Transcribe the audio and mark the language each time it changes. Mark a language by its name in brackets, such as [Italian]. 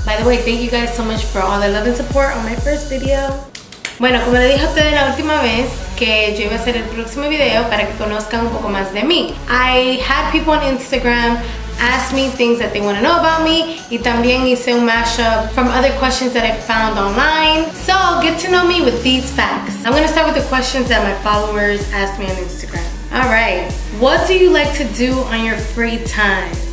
[English] By the way, thank you guys so much for all the love and support on my first video. [Spanish] Bueno, como le dije a ustedes la última vez, que yo iba a hacer el próximo video para que conozcan un poco más de mí. [English] I had people on Instagram ask me things that they want to know about me, [Spanish] y también hice un mashup [English] from other questions that I found online. So, get to know me with these facts. I'm going to start with the questions that my followers asked me on Instagram. All right, what do you like to do on your free time?